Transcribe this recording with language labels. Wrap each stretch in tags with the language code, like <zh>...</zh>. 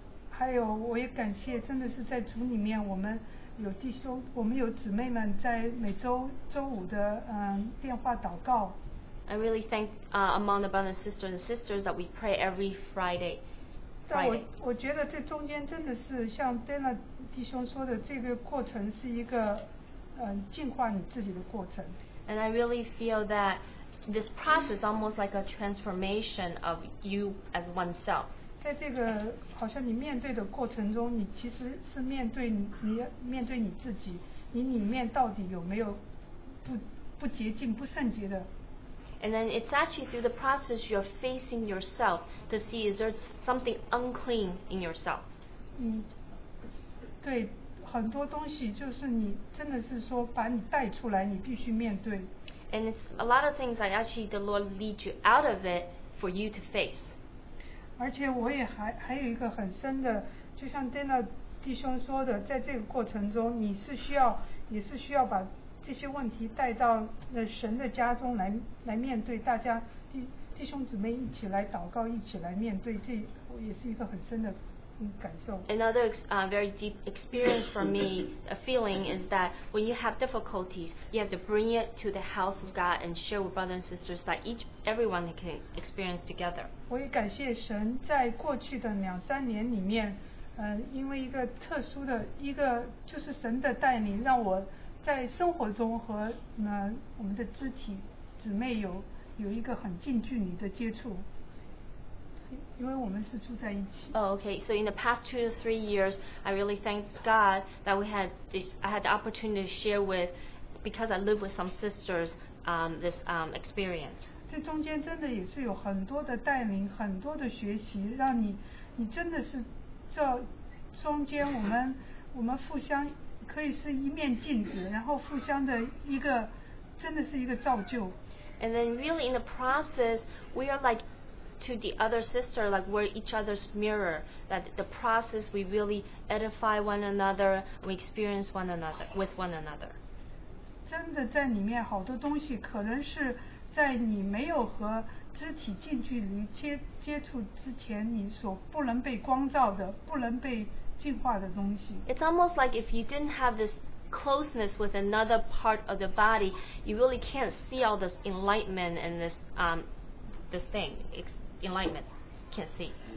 <zh>还有，我也感谢，真的是在主里面，我们有弟兄，我们有姊妹们在每周周五的电话祷告。</zh> <en>I really thank among the brothers, sisters, and sisters that we pray every Friday.</en> <zh>但我觉得这中间真的是像 Dana 弟兄说的，这个过程是一个净化你自己的过程。</zh> <en>And I really feel that this process almost like a transformation of you as oneself.</en> <zh>在这个好像你面对的过程中，你其实是面对你自己，你里面到底有没有不洁净、不圣洁的。</zh> <en>And then it's actually through the process you're facing yourself to see is there something unclean in yourself.</en> <zh>对，很多东西就是你真的是说把你带出来，你必须面对。</zh> <en>And it's a lot of things that actually the Lord leads you out of it for you to face.</en> <zh>而且我也还有一个很深的，就像 Dana 弟兄说的，在这个过程中你是需要，也是需要把这些问题带到神的家中 来面对，大家 弟兄姊妹一起来祷告，一起来面对，这也是一个很深的感受。</zh> <en>Another very deep experience for me, a feeling is that when you have difficulties, you have to bring it to the house of God and share with brothers and sisters that everyone can experience together.</en> <zh>我也感谢神在过去的两三年里面，因为一个特殊的一个就是神的带领，让我在生活中和我们的肢体姊妹有一个很近距离的接触，因为我们是住在一起。</zh> <en>Oh, okay. So in the past 2 to 3 years, I really thank God that I had the opportunity to share with, because I live with some sisters, this experience.</en> <zh>这中间真的也是有很多的带领，很多的学习，让你真的是这中间我们互相。可以是一面镜子，然后互相的一个，真的是一个造就。</zh> <en>And then really in the process, we are like to the other sister, like we're each other's mirror, that the process we really edify one another, we experience one another with one another.</en> <zh>真的在里面好多东西可能是在你没有和肢体近距离接触之前你所不能被光照的不能被净化的东西。</zh> <en>It's almost like if you didn't have this closeness with another part of the body, you really can't see all this enlightenment and this this thing, enlightenment, can't see.</en>